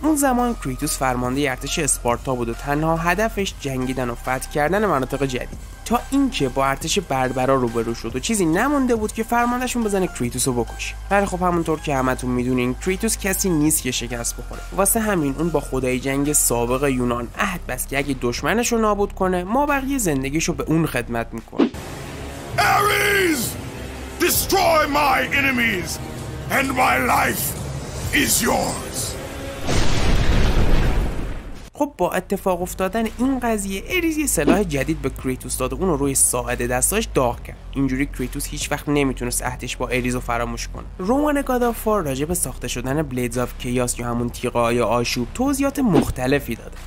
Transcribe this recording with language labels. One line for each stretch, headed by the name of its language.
Persian: اون زمان کریتوس فرمانده ارتش اسپارتا بود و تنها هدفش جنگیدن و فتح کردن مناطق جدید، تا اینکه با ارتش بربرا روبرو شد و چیزی نمونده بود که فرماندهشون بزنه کریتوس رو بکشه. ولی خب همونطور که همتون میدونین کریتوس کسی نیست که شکست بخوره. واسه همین اون با خدای جنگ سابق یونان عهد بست که اگه دشمنشو نابود کنه، ما بقیه زندگیشو به اون خدمت میکنه. آریز!
English: Destroy my enemies, and my life is yours.
Persian: خب با اتفاق افتادن این قضیه، اریز یه سلاح جدید به کریتوس داد و اونو روی ساعد دستاش داغ کرد. اینجوری کریتوس هیچ وقت نمیتونست عهدش با اریز رو فراموش کنه. رومان گاد آف وار راجع به ساخته شدن بلیدز آف کیاس یا همون تیغای آشوب توضیحات مختلفی داده.